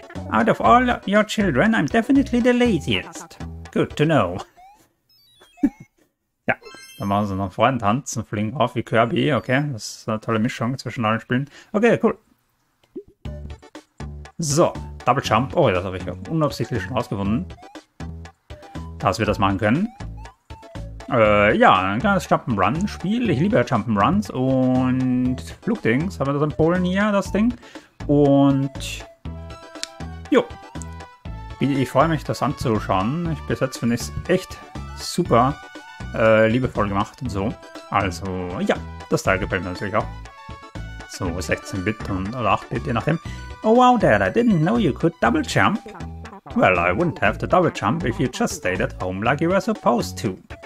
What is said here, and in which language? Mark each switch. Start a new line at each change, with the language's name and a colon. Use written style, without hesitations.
English: Out of all your children, I'm definitely the laziest. Good to know.
German: Ja, dann machen sie noch einen Freudentanz und fliegen auf wie Kirby, okay? Das ist eine tolle Mischung zwischen allen Spielen. Okay, cool. So, Double Jump. Oh, das habe ich unabsichtlich schon rausgefunden. Dass wir das machen können. Ja, ein kleines Jump'n'Run-Spiel. Ich liebe ja Jump'n'Runs und Flugdings. Haben wir das in Polen hier, das Ding? Und jo, ich freue mich, das anzuschauen. Ich bis jetzt finde es echt super liebevoll gemacht und so. Also, ja, das Teil gefällt mir natürlich auch. So 16-Bit oder 8-Bit, je nachdem.
English: Oh wow, Dad, I didn't know you could double jump. Well, I wouldn't have to double jump if you just stayed at home like you were supposed to.